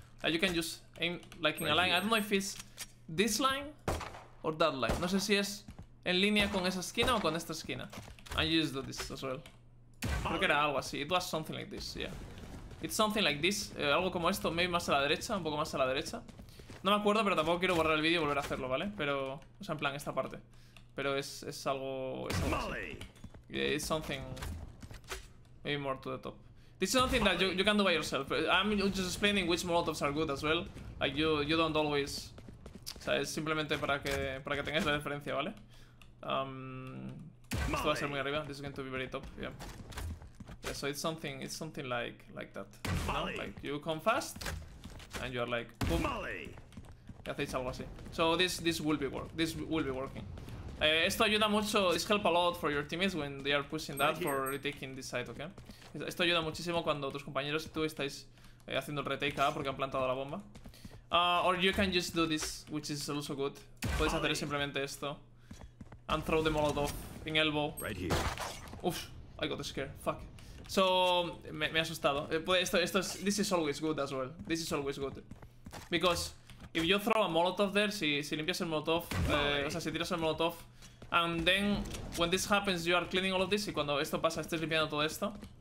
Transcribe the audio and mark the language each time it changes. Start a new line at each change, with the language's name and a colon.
English: You can just aim, like, in right a line. Here. I don't know if it's this line or that line.
Spanish: No sé si es en línea con esa esquina o con esta esquina.
English: And you just do this as well. Molly.
Spanish: Creo que era algo así.
English: It was something like this, yeah. It's something like this.
Spanish: Algo como esto.
English: Maybe
Spanish: más a la derecha, un poco más a la derecha. No me acuerdo, pero tampoco quiero borrar el vídeo y volver a hacerlo, ¿vale? Pero, o sea, en plan, esta parte. Pero es algo así.
English: Yeah, it's something... Maybe more to the top. This is something that you can do by yourself. I'm just explaining which Molotovs are good as well. Like, you don't always...
Spanish: O sea, es simplemente para que tengáis la referencia, ¿vale? Esto va a ser muy arriba.
English: This is going to be very top, yeah. Yeah, so it's something like that. No? Like, you come fast, and you are like, boom. Molly.
Spanish: Y hacéis algo así.
English: So this will be working.
Spanish: Esto ayuda mucho,
English: this help a lot for your teammates when they are pushing that for retaking this site, ¿ok?
Spanish: Esto ayuda muchísimo cuando tus compañeros y tú estáis haciendo el retake A porque han plantado la bomba.
English: Or you can just do this, which is also good.
Spanish: Puedes hacer simplemente esto.
English: And throw the molotov in elbow. Right here. Uf, I got scared. Fuck. So,
Spanish: me ha asustado.
English: This is always good as well. This is always good. Because if you throw a molotov there,
Spanish: si limpias el molotov,
English: o sea, si tiras el molotov, and then when this happens, you are cleaning all of this,
Spanish: y cuando esto pasa, estés limpiando todo esto.